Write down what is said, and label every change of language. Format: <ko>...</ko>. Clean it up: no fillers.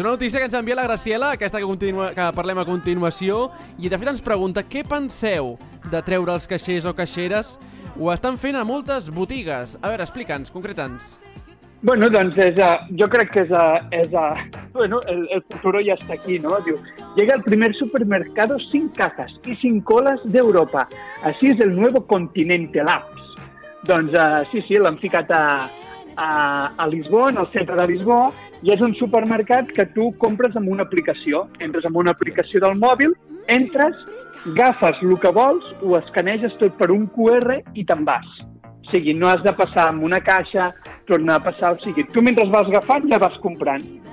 <ca>Una notícia que ens envia la Graciela, aquesta que parlem a continuació, i de fet ens pregunta què penseu de treure els caixers o caixeres. Ho estan fent a moltes botigues. A veure, explica'ns, concreta'ns. Bueno, doncs jo crec que bueno, el futur ja està aquí, no?</ca> <es>Diu, llega el primer supermercado sin cajas y sin colas de Europa. Así es el nuevo continente, Labs.</es> <ca>Doncs sí, l'han ficat a Lisboa, en el centre de Lisboa, i és un supermercat que tu compres amb una aplicació. Entres amb una aplicació del mòbil, entres... Agafes el que vols, ho escaneges tot per un QR i te'n vas. O sigui, no has de passar amb una caixa, tornar a passar... O sigui, tu mentre vas agafant, ja vas comprant.</ca>